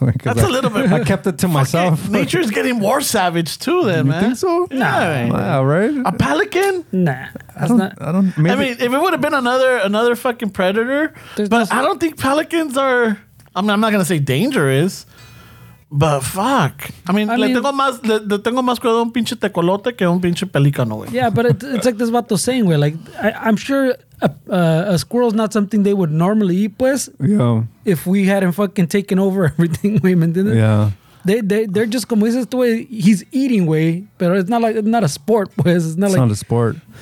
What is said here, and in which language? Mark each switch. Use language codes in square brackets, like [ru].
[en] Like, that's a little bit. I kept it to myself. Okay. Nature's getting more savage too, then, you man. Think so? Nah, yeah, right. A pelican? Nah, I don't. I mean, if it would have been another fucking predator, I don't think pelicans are. I mean, I'm not gonna say dangerous. But fuck. I mean, [es] le tengo más cuidado un pinche tecolote que un pinche pelícano, güey. [en] Yeah, but it's like this vato saying, güey. Like, I'm sure a squirrel's not something they would normally eat, pues. Yeah. If we hadn't fucking taken over everything, güey, [es] ¿me entiendes? [en] Yeah. They're just [es] como dices tú, [en] he's eating, güey. [es] Pero [en] it's not like, it's not a sport, pues. It's not a sport.